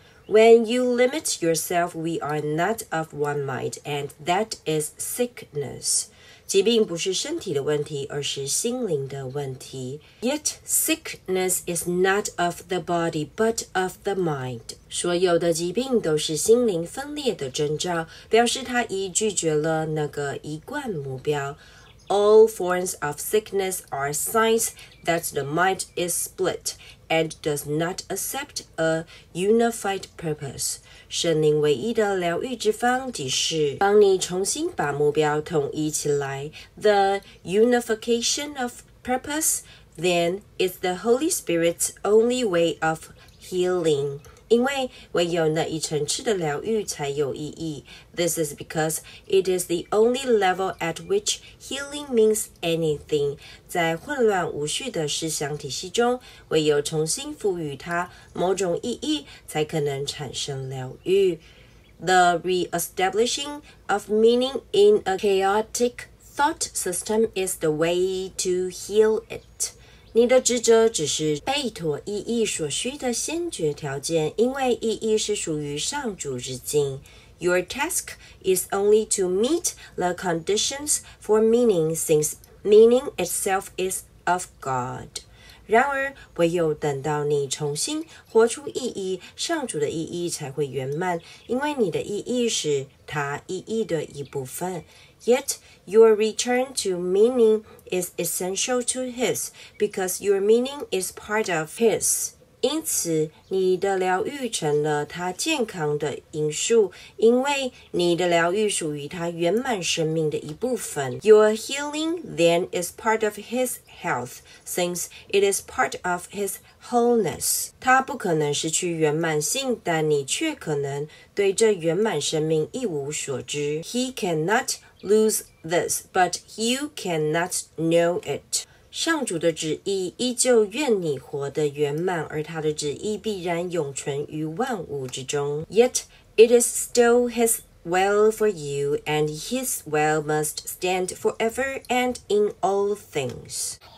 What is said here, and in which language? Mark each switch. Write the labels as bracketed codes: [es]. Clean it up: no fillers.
[en] When you limit yourself, we are not of one mind, and that is sickness. [zh] 疾病不是身体的问题，而是心灵的问题。 [en] Yet sickness is not of the body, but of the mind. [zh] 所有的疾病都是心灵分裂的征兆，表示他已拒绝了那个一贯目标。 [en] All forms of sickness are signs that the mind is split and does not accept a unified purpose. [zh] 圣灵唯一的疗愈之方即是帮你重新把目标统一起来。 [en] The unification of purpose, then, is the Holy Spirit's only way of healing. [zh] 因为唯有那一层次的疗愈才有意义。 [en] This is because it is the only level at which healing means anything. [zh] 在混乱无序的思想体系中，唯有重新赋予它某种意义，才可能产生疗愈。 [en] The re-establishing of meaning in a chaotic thought system is the way to heal it. [zh] 你的职责只是背妥意义所需的先决条件，因为意义是属于上主之境。 [en] Your task is only to meet the conditions for meaning, since meaning itself is of God. [zh] 然而，唯有等到你重新活出意义，上主的意义才会圆满，因为你的意义是他意义的一部分。 [en] Yet, your return to meaning is essential to his, because your meaning is part of his. [zh] 因此，你的疗愈成了他健康的因素，因为你的疗愈属于他圆满生命的一部分。 [en] Your healing, then, is part of his health, since it is part of his wholeness. [zh] 他不可能失去圆满性，但你却可能对这圆满生命一无所知。 [en] He cannot lose this, but you cannot know it. [zh] 上主的旨意依旧愿你活得圆满，而他的旨意必然永存于万物之中。 [en] Yet it is still his will for you, and his will must stand forever and in all things.